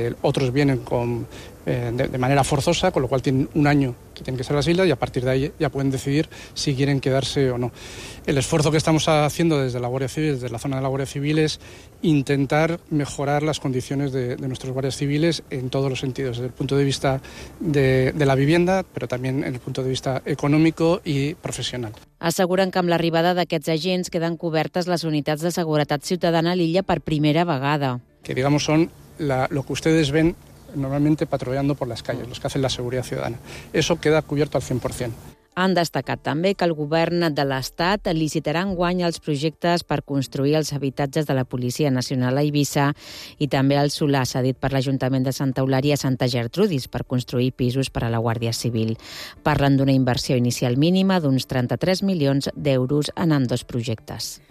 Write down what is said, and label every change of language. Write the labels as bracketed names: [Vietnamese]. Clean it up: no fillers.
[Spanish] Otros vienen con... de manera forzosa, con lo cual tienen un año que tienen que ser las islas y a partir de ahí ya pueden decidir si quieren quedarse o no. El esfuerzo que estamos haciendo desde la Guardia Civil, desde la zona de la Guardia Civil, es intentar mejorar las condiciones de nuestros guardias civiles en todos los sentidos, desde el punto de vista de la vivienda, pero también en el punto de vista económico y profesional. [Catalan] Asseguren que amb l'arribada d'aquests agents queden cobertes les unitats de seguretat ciutadana a l'illa per primera vegada. [Spanish] Que digamos son lo que ustedes ven normalmente patrullando por las calles, los que hacen la seguridad ciudadana. Eso queda cubierto al 100%. [Catalan] Han destacat també que el govern de l'Estat licitarà enguany els projectes per construir els habitatges de la Policia Nacional a Eivissa i també el solar cedit per l'Ajuntament de Santa Eulària a Santa Gertrudis per construir pisos per a la Guàrdia Civil. Parlen d'una inversió inicial mínima d'uns 33 milions d'euros en ambdós projectes.